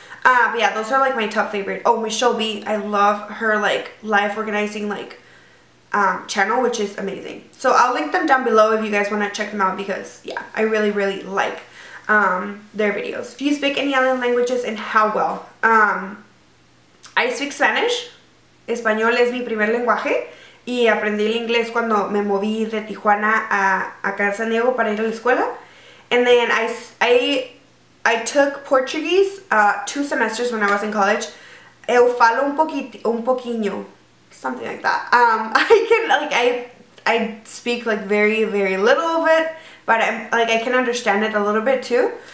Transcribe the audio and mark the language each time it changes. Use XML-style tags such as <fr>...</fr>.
<en>But yeah, those are like my top favorite. Oh, Michelle B. I love her like life organizing like channel, which is amazing. So I'll link them down below if you guys want to check them out, because yeah, I really really like their videos. Do you speak any other languages, and how well? I speak Spanish.</en> <es>Español es mi primer lenguaje. Y aprendí el inglés cuando me moví de Tijuana a San Diego para ir a la escuela.</es> <en>And then I took Portuguese 2 semesters when I was in college.</en> <pt>Eu falo un poquinho.</pt> <en>Something like that. I speak like very, very little of it, but I can understand it a little bit too.</en>